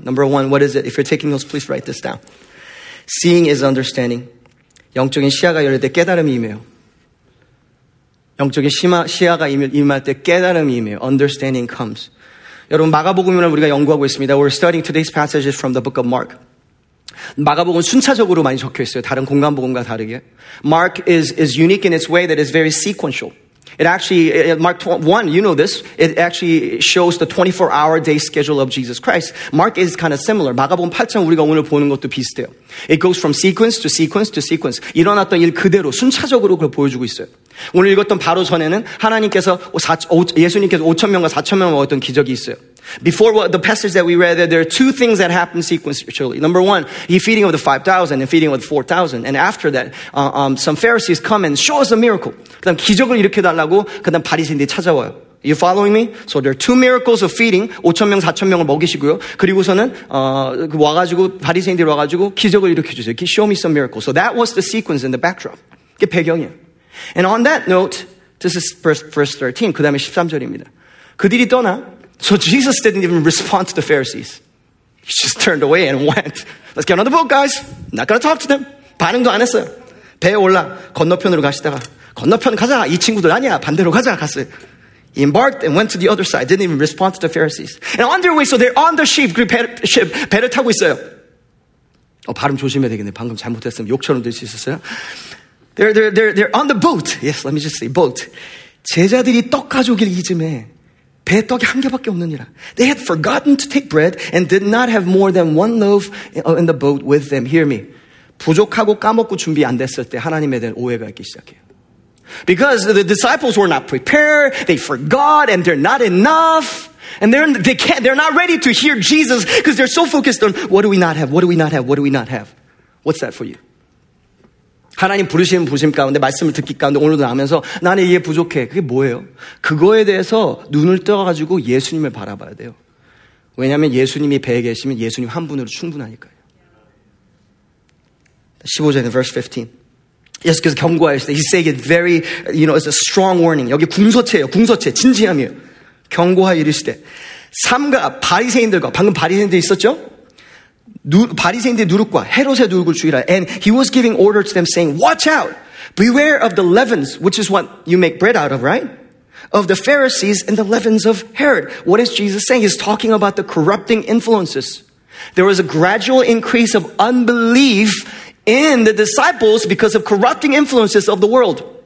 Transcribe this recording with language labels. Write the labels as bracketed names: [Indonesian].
[English] Number one, what is it? If you're taking notes, please write this down. Seeing is understanding. [Korean] 영적인 시야가 열릴 때 깨달음이 임해요. 영적인 시야가 임할 때 깨달음이 임해요. [English] Understanding comes. [Korean] 여러분 마가복음을 우리가 연구하고 있습니다. [English] We're studying today's passages from the book of Mark. [Korean] 마가복음 순차적으로 많이 적혀 있어요. 다른 공간복음과 다르게. [English] Mark is unique in its way that is very sequential. It actually, Mark 1, you know this, it actually shows the 24-hour day schedule of Jesus Christ. Mark is kind of similar. [Korean] 마가복음 8장 우리가 오늘 보는 것도 비슷해요. [English] It goes from sequence to sequence to sequence. [Korean] 일어났던 일 그대로 순차적으로 그걸 보여주고 있어요. 오늘 읽었던 바로 전에는 하나님께서 예수님께서 5천명과 4천명 먹었던 기적이 있어요. [English] Before the passage that we read, there are two things that happen sequentially. Number one, the feeding of the 5,000 and feeding of the 4,000. And after that, some Pharisees come and show us a miracle. [Korean] 그 다음 기적을 일으켜 달라고 그 다음 바리새인들이 찾아와요. [English] You following me? So there are two miracles of feeding. [Korean] 5천명, 4천명을 먹이시고요. 그리고서는 와가지고 바리새인들이 와가지고 기적을 일으켜 주세요. [English] Show me some miracles. So that was the sequence in the backdrop. [Korean] 그게 배경이에요. [English] And on that note, this is verse 13, [Korean] 그 다음에 13절입니다. 그들이 떠나. [English] So Jesus didn't even respond to the Pharisees. He just turned away and went. Let's get on the boat, guys. Not gonna talk to them. [Korean] 반응도 안 했어요. 배에 올라 건너편으로 가시다가 건너편 가자. 이 친구들 아니야. 반대로 가자. 갔어요. [English] He embarked and went to the other side. Didn't even respond to the Pharisees. And on their way, so they're on the ship. [Korean] 배를 타고 있어요. 발음 조심해야 되겠네. 방금 잘못했으면 욕처럼 될 수 있었어요. [English] They're on the boat. Yes, let me just say boat. [Korean] 제자들이 떡 가져오길 이쯤에 배에 떡이 한 개밖에 없느니라. [English] They had forgotten to take bread and did not have more than one loaf in the boat with them. Hear me. [Korean] 부족하고 까먹고 준비 안 됐을 때 하나님에 대한 오해가 있기 시작해요. [English] Because the disciples were not prepared, they forgot and they're not enough. And they're not ready to hear Jesus because they're so focused on what do we not have? What do we not have? What do we not have? What's that for you? [Korean] 하나님 부르시는 부심 가운데 말씀을 듣기 가운데 오늘도 나면서 나는 이게 부족해. 그게 뭐예요? 그거에 대해서 눈을 떠가지고 예수님을 바라봐야 돼요. 왜냐하면 예수님이 배에 계시면 예수님 한 분으로 충분하니까요. 15절에 [English] verse 15. [Korean] 예수께서 경고하셨어요. [English] He's saying it very, you know, it's a strong warning. [Korean] 여기 궁서체예요. 궁서체. 진지함이에요. 경고하이르시되 삼가 바리새인들과 방금 바리새인들 있었죠? 바리새인들의 누룩과 헤롯의 누룩을 주의라. [English] And he was giving order to them saying, Watch out! Beware of the leavens, which is what you make bread out of, right? Of the Pharisees and the leavens of Herod. What is Jesus saying? He's talking about the corrupting influences. There was a gradual increase of unbelief in the disciples because of corrupting influences of the world.